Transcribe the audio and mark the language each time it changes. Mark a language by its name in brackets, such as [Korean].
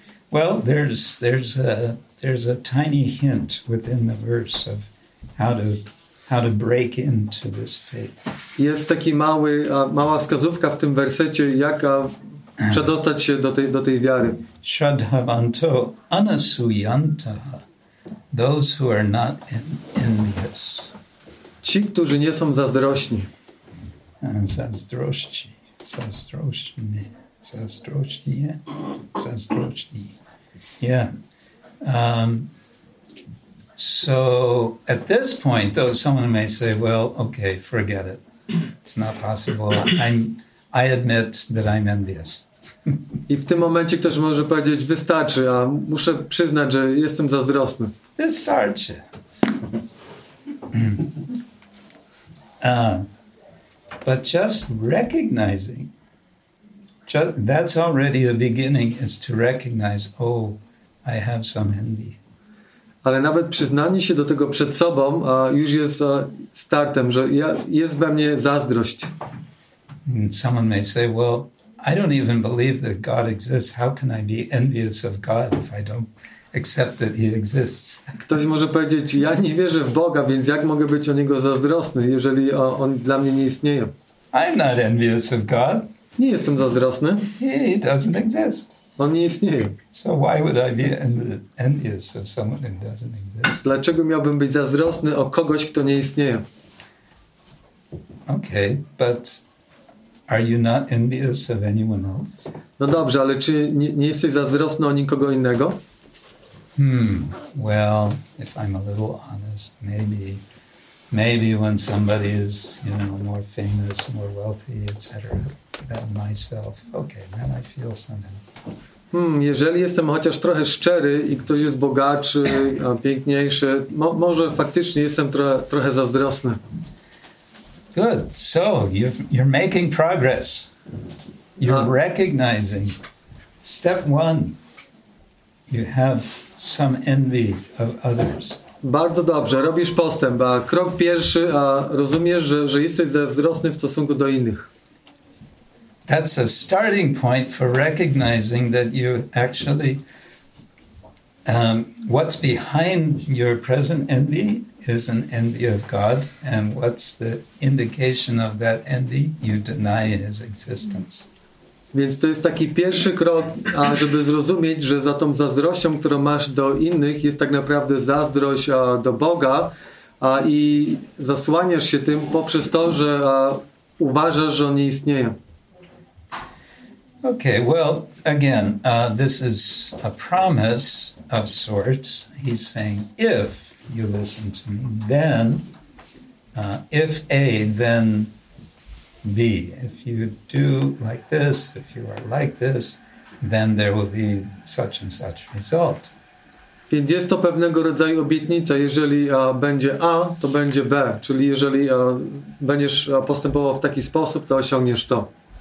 [English] Well, there's a tiny hint within the verse of how to break into this faith. [Polish] Jest taki mała wskazówka w tym wersecie, jak przedostać się do tej wiary. [Sanskrit] Shradhavanto anasuyanta, [English] those who are not envious. [Polish] Ci, którzy nie są zazdrośni. Zazdrośni. [English] Yeah. So at this point, though, someone may say, well, okay, forget it. It's not possible. I admit that I'm envious. [Polish] I w tym momencie ktoś może powiedzieć, wystarczy, a muszę przyznać, że jestem zazdrosny. Wystarczy. [English] But just recognizing, that's already the beginning, is to recognize, oh, I have some envy. [Polish] Ale nawet przyznanie się do tego przed sobą już jest startem, że jest we mnie zazdrość. [English] Someone may say, well, I don't even believe that God exists. How can I be envious of God if I don't accept that he exists? [Polish] Ktoś może powiedzieć, ja nie wierzę w Boga, więc jak mogę być o niego zazdrosny, jeżeli on dla mnie nie istnieje? [English] I'm not envious of God. [Polish] Nie jestem zazdrosny. [English] He doesn't exist. [Polish] On nie istnieje. [English] So why would I be envious of someone who doesn't exist? [Polish] Dlaczego miałbym być zazdrosny o kogoś, kto nie istnieje? [English] Okay, but are you not envious of anyone else? [Polish] No dobrze, ale czy nie jesteś zazdrosny o nikogo innego? [English] Well, if I'm a little honest, maybe when somebody is, you know, more famous, more wealthy, etc., than myself, okay, then I feel something. [Polish] Jeżeli jestem chociaż trochę szczery i ktoś jest bogatszy, piękniejszy, może faktycznie jestem trochę zazdrosny. [English] Good. So you're making progress. You're recognizing. Step one. You have some envy of others. [Polish] Bardzo dobrze. Robisz postęp. A krok pierwszy. A rozumiesz, że jesteś zazdrosny w stosunku do innych. [English] That's a starting point for recognizing that you actually what's behind your present envy is an envy of God, and what's the indication of that envy? You deny his existence. [Polish] Więc to jest taki pierwszy krok, żeby zrozumieć, że za tą zazdrością, którą masz do innych, jest tak naprawdę zazdrość do Boga, i zasłaniasz się tym poprzez to, że uważasz, że on nie istnieje. [English] Okay, well, again, this is a promise of sorts. He's saying, if you listen to me, then, if A, then B. If you do like this, if you are like this, then there will be such and such result. [Polish] Więc jest to pewnego rodzaju obietnica. Jeżeli będzie A, to będzie B. Czyli jeżeli będziesz postępował w taki sposób, to osiągniesz to.